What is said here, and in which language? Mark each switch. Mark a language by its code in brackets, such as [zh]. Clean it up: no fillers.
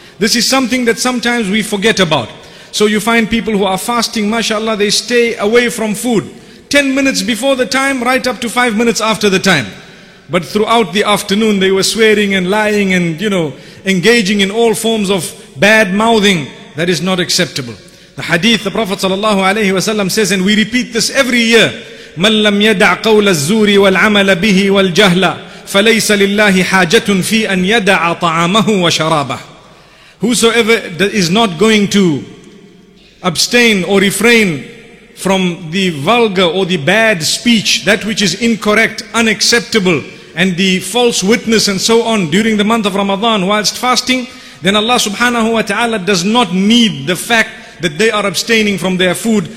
[en] This is something that sometimes we forget about. So you find people who are fasting, mashallah, they stay away from food 10 minutes before the time, right up to 5 minutes after the time. But throughout the afternoon, they were swearing and lying and, you know, engaging in all forms of bad mouthing. That is not acceptable. The hadith, the Prophet sallallahu alaihi wasallam says, and we repeat this every year, [ar] مَنْ لَمْ يَدَعْ قَوْلَ الزُّورِ وَالْعَمَلَ بِهِ وَالْجَهْلَ فَلَيْسَ لِلَّهِ حَاجَةٌ فِي أَنْ يَدَعَ طَعَامَهُ وَشَرَابَهُ. [en] Whosoever is not going to abstain or refrain from the vulgar or the bad speech, that which is incorrect, unacceptable, and the false witness and so on during the month of Ramadan whilst fasting, then Allah subhanahu wa ta'ala does not need the fact that they are abstaining from their food.